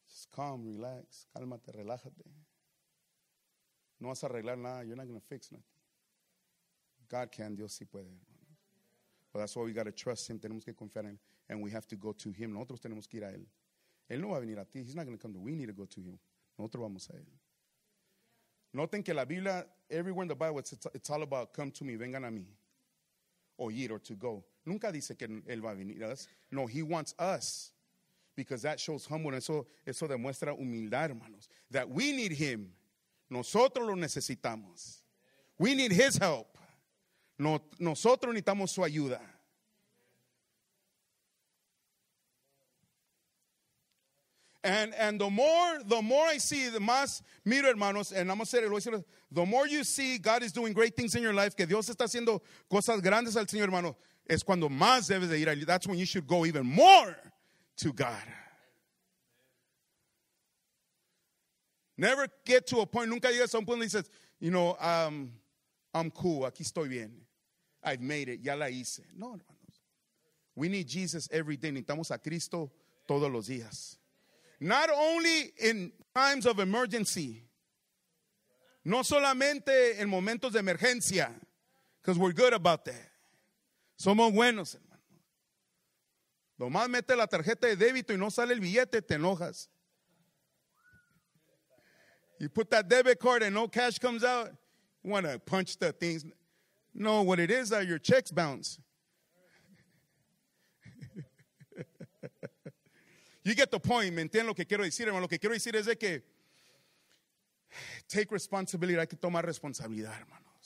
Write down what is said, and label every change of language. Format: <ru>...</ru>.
<en>Calm, relax,</en> <es>cálmate, relájate. No vas a arreglar nada.</es> <en>You're not going to fix nothing. God can,</en> <es>Dios sí puede.</es> <en>But that's why we got to trust him.</en> <es>Tenemos que confiar en él.</es> <en>And we have to go to him.</en> <es>Nosotros tenemos que ir a él. Él no va a venir a ti.</es> <en>He's not going to come to you. We need to go to him.</en> <es>Nosotros vamos a él. Noten que la Biblia,</es> <en>everywhere in the Bible, it's all about come to me,</en> <es>vengan a mí.</es> <en>Oír or to go.</en> <es>Nunca dice que él va a venir a us.</es> <en>No, he wants us. Because that shows humbleness.</en> <es>Eso demuestra humildad, hermanos.</es> <en>That we need him.</en> <es>Nosotros lo necesitamos.</es> <en>We need his help.</en> <es>Nosotros necesitamos su ayuda.</es> <en>And the more I see, the</en> <es>más miro, hermanos, and vamos a hacer el oído,</es> <en>the more you see God is doing great things in your life,</en> <es>que Dios está haciendo cosas grandes al Señor, hermano, es cuando más debes de ir.</es> <en>That's when you should go even more to God. Never get to a point,</en> <es>nunca llegas a un punto y dices,</es> <en>you know, I'm cool,</en> <es>aquí estoy bien.</es> <en>I've made it,</en> <es>ya la hice. No, hermanos.</es> <en>We need Jesus every day.</en> <es>Necesitamos a Cristo todos los días.</es> <en>Not only in times of emergency.</en> <es>No solamente en momentos de emergencia.</es> <en>Because we're good about that.</en> <es>Somos buenos. Nomás mete la tarjeta de débito y no sale el billete, te enojas.</es> <en>You put that debit card and no cash comes out, you want to punch the things. No, what it is, your checks bounce. You get the point,</en> <es>¿me entiendes lo que quiero decir, hermano? Lo que quiero decir es de que</es> <en>take responsibility,</en> <es>hay que tomar responsabilidad, hermano.</es>